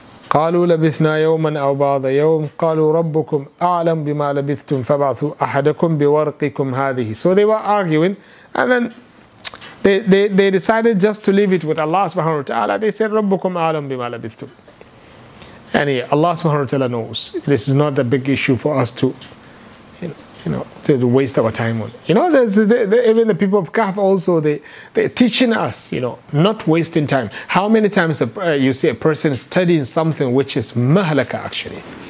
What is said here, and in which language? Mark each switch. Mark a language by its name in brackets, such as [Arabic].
[Arabic] قالوا لبثنا يوما أو بعض يوم قالوا ربكم أعلم بما لبثتم فبعثوا أحدكم بورقكم هذه. [English] So they were arguing, and then they decided just to leave it with Allah subhanahu wa ta'ala. They said, [Arabic] ربكم أعلم بما لبثتم. [English] And yeah, Allah subhanahu wa ta'ala knows. This is not a big issue for us to, you know, to waste our time on. You know, even the people of Kahf also, they're teaching us, you know, not wasting time. How many times you see a person studying something which is mahlaka actually?